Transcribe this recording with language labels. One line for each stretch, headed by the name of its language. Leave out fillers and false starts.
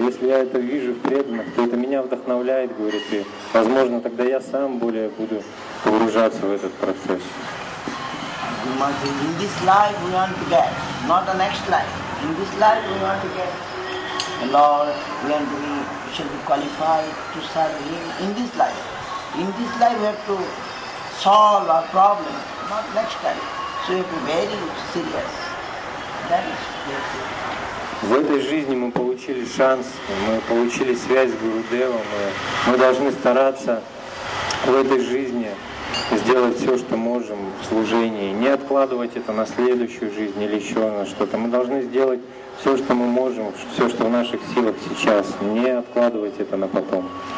Russian: И если я это вижу в преданных, то это меня вдохновляет, говорит, и, возможно, тогда я сам более буду погружаться в этот процесс.
English: In this life we want to get, not the next life. In this life we want to get. Lord, we should be qualified to serve Him in this life. In this life, we have to solve our problem, not next time. So we have to be very serious. That is
Russian: В этой жизни мы получили шанс, мы получили связь с Гурудевом, мы должны стараться в этой жизни сделать все, что можем в служении, не откладывать это на следующую жизнь или еще на что-то. Мы должны сделать все, что мы можем, все, что в наших силах сейчас, не откладывать это на потом.